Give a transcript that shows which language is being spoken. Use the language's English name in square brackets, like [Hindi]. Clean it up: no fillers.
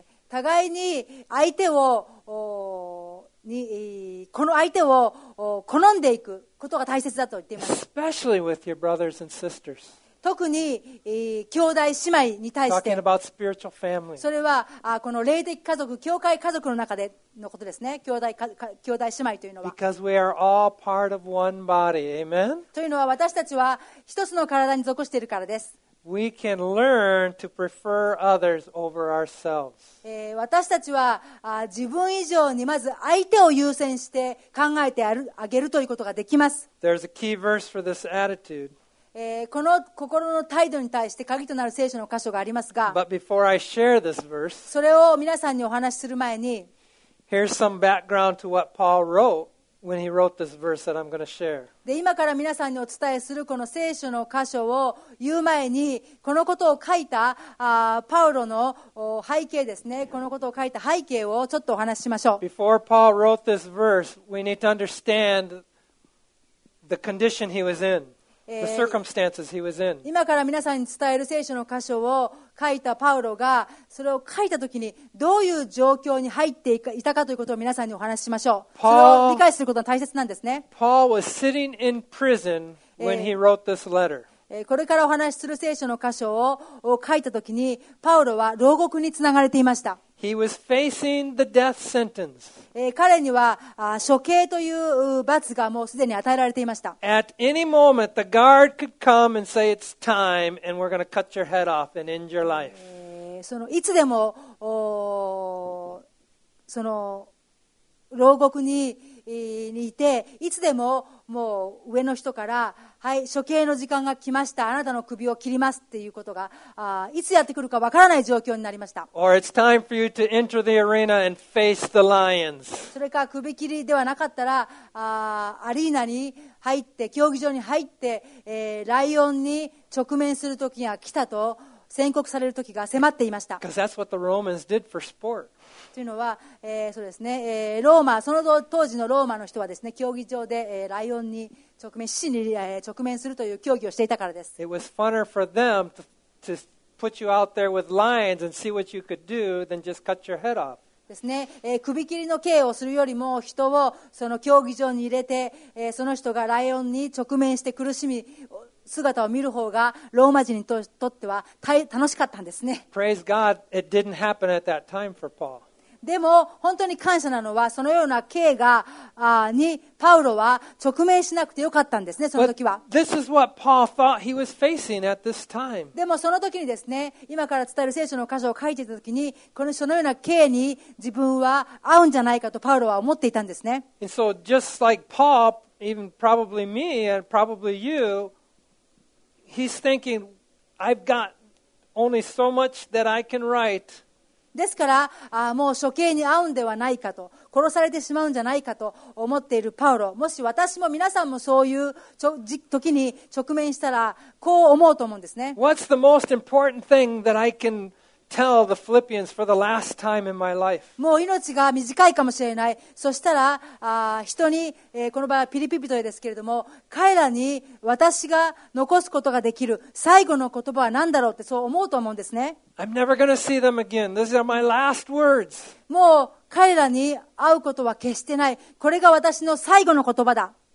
[Japanese] 互いに相手をこの相手を好んでいくことが大切だと言っています。 [English] Especially with your brothers and sisters. [Japanese] 特に兄弟姉妹に対して。 [English] Talking about spiritual family. [Japanese] それはこの霊的家族、教会家族の中でのことですね。兄弟姉妹というのは。 [English] Because we are all part of one body. Amen. [Japanese] というのは私たちは一つの体に属しているからです。 [English] We can learn to prefer others over ourselves. [Japanese] 私たちは自分以上にまず相手を優先して考えてあげるということができます。 [English] There's a key verse for this attitude. [Japanese] この心の態度に対して鍵となる聖書の箇所がありますが、 [English] But before I share this verse, [Japanese] それを皆さんにお話しする前に、 [English] Here's some background to what Paul wrote. when he wrote this verse that I'm going to share. [Japanese] で、今から皆さんにお伝えするこの聖書の箇所を言う前に、このことを書いたパウロの背景ですね。このことを書いた背景をちょっとお話ししましょう。 [English] Before Paul wrote this verse, we need to understand the condition he was in. The circumstances he was in. [Japanese] 今から皆さんに伝える聖書の箇所を書いたパウロがそれを書いたときにどういう状況に入っていたかということを皆さんにお話ししましょう。 [English] Paul, [Japanese] それを理解することが大切なんですね。 [English] Paul was sitting in prison when he wrote this letter. [Japanese] これからお話しする聖書の箇所を書いたときにパウロは牢獄につながれていました。 [English] He was facing the death sentence. [Japanese] 彼には処刑という罰がもうすでに与えられていました。 [English] At any moment, the guard could come and say it's time, and we're going to cut your head off and end your life. [Japanese] そのいつでもその牢獄にいて、いつでももう上の人から、はい、処刑の時間が来ました、あなたの首を切りますっていうことが、いつやってくるかわからない状況になりました。 [English] Or it's time for you to enter the arena and face the lions. [Japanese] それか首切りではなかったら、アリーナに入って、競技場に入って、ライオンに直面する時が来たと宣告される時が迫っていました。 [English] Because that's what the Romans did for sport. [Japanese] というのは、そうですね、ローマ、その当時のローマの人はですね、競技場で、ライオンに直面、死に、直面するという競技をしていたからです。 [English] It was funner for them to put you out there with lions and see what you could do than just cut your head off. [Japanese] ですね、首切りの刑をするよりも人をその競技場に入れて、その人がライオンに直面して苦しみ姿を見る方がローマ人にとっては楽しかったんですね。 [English] Praise God, it didn't happen at that time for Paul. [Japanese] でも本当に感謝なのはそのような刑がにパウロは直面しなくてよかったんですね。その時は [English] this is what Paul thought he was facing at this time. [Japanese] でもその時にですね、今から伝える聖書の箇所を書いていた時にこのそのような刑に自分は合うんじゃないかとパウロは思っていたんですね。 [English] And so just like Paul, even probably me and probably you, he's thinking, I've got only so much that I can write [Japanese] ですから、もう処刑に遭うんではないかと、殺されてしまうんじゃないかと思っているパウロ、もし私も皆さんもそういう時に直面したら、こう思うと思うんですね。 [English] What's the most important thing that I can tell the Philippians for the last time in my life? [Japanese] もう命が短いかもしれない。そしたら、人に、この場合はピリピ人へですけれども、彼らに私が残すことができる最後の言葉は何だろうってそう思うと思うんですね。 [English] I'm never going to see them again. These are my last words. [Japanese] もう彼らに会うことは決してない。これが私の最後の言葉だ。